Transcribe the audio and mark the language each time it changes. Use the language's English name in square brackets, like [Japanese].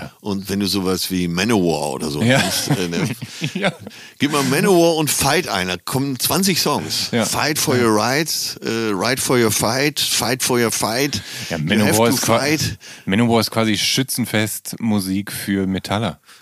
[German] Und wenn du sowas wie Manowar oder so hast, gib mal Manowar und Fight ein, da kommen 20 Songs. Ja. [English] Fight for your rights, right for your fight, fight for your fight. [German] Ja, Manowar ist quasi Schützenfestmusik für Metaller.